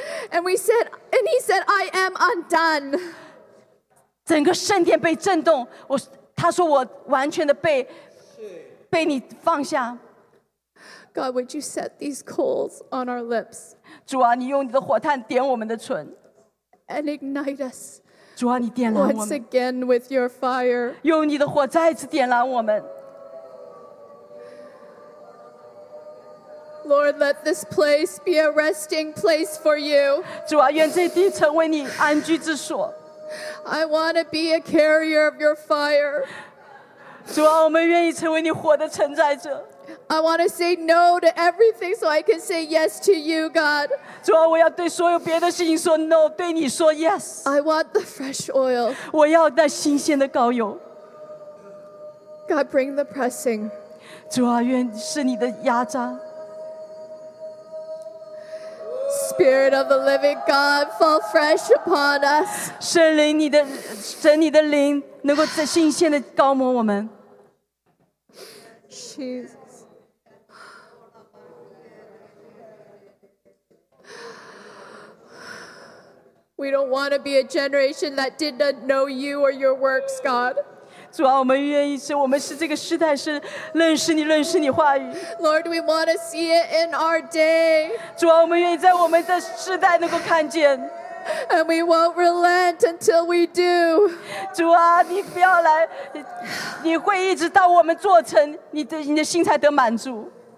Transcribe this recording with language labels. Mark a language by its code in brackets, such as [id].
[en] And we said, and he said, I am undone. [zh] 整个圣殿被震动，我他说我完全的被你放下。 [en] God, would you set these coals on our lips? [zh] 主啊，你用你的火炭点我们的唇。 [en] And ignite us. [zh] 主啊，你点燃我们。 [en] Once again with your fire. [zh] 用你的火再次点燃我们。 [en] Lord, let this place be a resting place for you. [zh] 主啊，愿这地成为你安居之所。 [en] I want to be a carrier of your fire. [zh] 主啊，我们愿意成为你火的承载者。 [en] I want to say no to everything so I can say yes to you, God. [zh] 主啊，我要对所有别的事情说 [en] no， [zh] 对你说 [en] yes。 I want the fresh oil. [zh] 我要那新鲜的膏油。 [en] God, bring the pressing. [zh] 主啊，愿是你的压榨。 [en] Spirit of the living God, fall fresh upon us. [zh] 圣灵，你的神，你的灵能够在新鲜的膏抹我们。 [en] Jesus。 We don't want to be a generation that did not know you or your works, God. [zh] 主啊，我们愿意是，我们是这个时代是认识你，认识你话语。 [en] Lord, we want to see it in our day. [zh] 主啊，我们愿意在我们的时代能够看见。 [en] And we won't relent until we do. [zh] 主啊，你不要来，你会一直到我们做成，你的心才得满足。